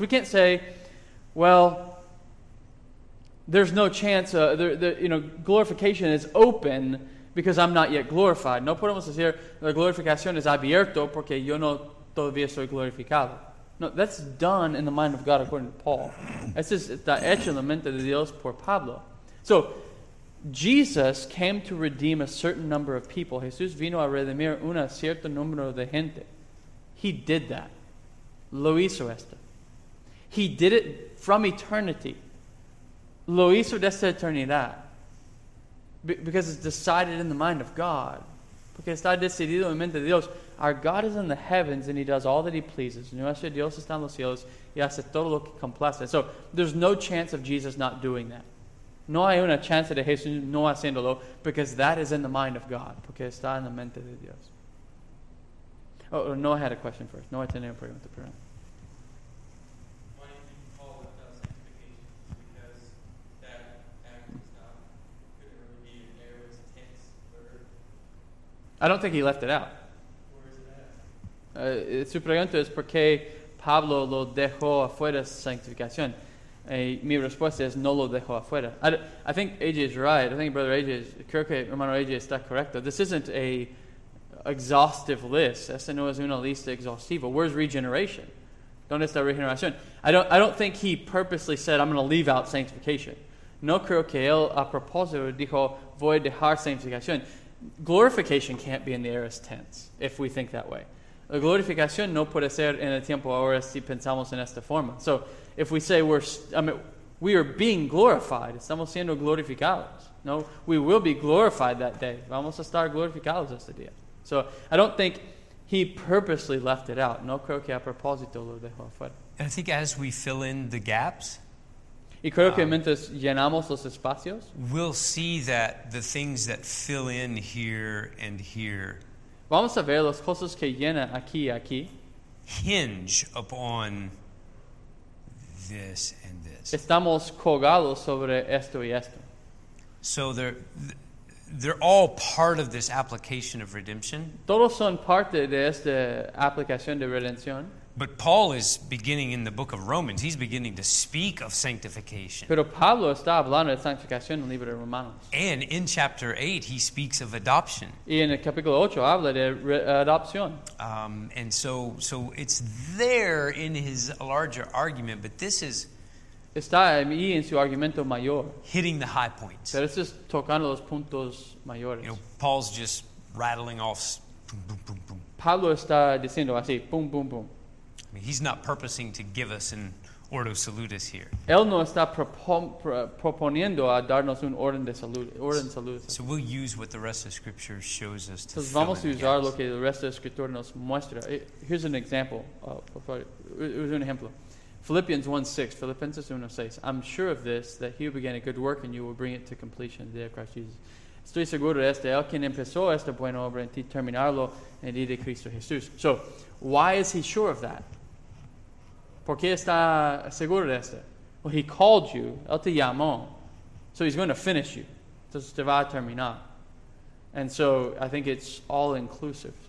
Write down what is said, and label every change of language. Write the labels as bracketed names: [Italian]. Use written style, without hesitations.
[English] We can't say, well, there's no chance, glorification is open because I'm not yet glorified. [Spanish] No podemos decir, la glorificación es abierto porque yo no todavía soy glorificado. [English] No, that's done in the mind of God according to Paul. [Spanish] Eso está hecho en la mente de Dios por Pablo. [English] So, Jesus came to redeem a certain number of people. [Spanish] Jesús vino a redimir un cierto número de gente. [English] He did that. [Spanish] Lo hizo esto. [English] He did it from eternity. [Spanish] Lo hizo desde eternidad. [English] Because it's decided in the mind of God. [Spanish] Porque está decidido en mente de Dios. [English] Our God is in the heavens and He does all that He pleases. [Spanish] Nuestro Dios está en los cielos y hace todo lo que complace. [English] So there's no chance of Jesus not doing that. [Spanish] No hay una chance de Jesús no haciéndolo [English] because that is in the mind of God. [Spanish] Porque está en la mente de Dios. [English] Oh, Noah had a question first. [Spanish] Noah, tenía una pregunta. [English] Why do you call it sanctification? Because that act is not, couldn't really be an error, it's a tense verb. I don't think he left it out. Where is it at? [Spanish] Su pregunta es por qué Pablo lo dejó afuera sanctificación. Mi respuesta es no lo dejó afuera. [English] I think AJ is right. I think Brother AJ is, [Spanish] creo que hermano AJ está correcto. [English] This isn't a exhaustive list. [Spanish] Esa no es una lista exhaustiva. [English] Where's regeneration? [Spanish] ¿Dónde está regeneración? [English] I don't think he purposely said, I'm going to leave out sanctification. [Spanish] No creo que él a propósito dijo, voy a dejar sanctificación. [English] Glorification can't be in the aorist tense, if we think that way. [Spanish] La glorificación no puede ser en el tiempo ahora si pensamos en esta forma. [English] So, if we say we are being glorified, [Spanish] estamos siendo glorificados. [English] No, we will be glorified that day. [Spanish] Vamos a estar glorificados este día. [English] So I don't think he purposely left it out. [Spanish] No creo que a propósito lo dejó afuera. [English] And I think as we fill in the gaps, [Spanish] y creo que mientras llenamos los espacios, [English] we'll see that the things that fill in here and here, [Spanish] vamos a ver las cosas que llena aquí y aquí, [English] hinge upon this and this. [Spanish] Estamos colgados sobre esto y esto. [English] So they're all part of this application of redemption. [Spanish] Todos son parte de esta aplicación de redención. [English] But Paul is beginning in the book of Romans. He's beginning to speak of sanctification. [Spanish] Pero Pablo está hablando de sanctificación en el libro de Romanos. [English] And in chapter 8, he speaks of adoption. [Spanish] Y en el capítulo 8 habla de adopción. [English] And so it's there in his larger argument, but this is [Spanish] está ahí en su argumento mayor. [English] Hitting the high points. [Spanish] Pero eso es tocando los puntos mayores. [English] You know, Paul's just rattling off, boom, boom, boom, boom. [Spanish] Pablo está diciendo así, boom, boom, boom. [English] I mean, he's not purposing to give us an ordo salutis here. [Spanish] Él no está proponiendo a darnos un orden de salud, orden salutis. [English] So we'll use what the rest of Scripture shows us to fill in. [Spanish] Vamos a usar lo que el resto de Scripture nos muestra. [English] Here's an example. Here's [Spanish] un ejemplo. Filipenses 1:6. [English] I'm sure of this, that he who began a good work in you will bring it to completion in the day of Christ Jesus. [Spanish] Estoy seguro de esto. El quien empezó esta buena obra en ti terminarlo en el día de Cristo Jesús. [English] So, why is he sure of that? [Spanish] ¿Por qué está seguro de esto? [English] Well, he called you. [Spanish] Él te llamó. [English] So he's going to finish you. [Spanish] Entonces te va a terminar. [English] And so, I think it's all inclusive.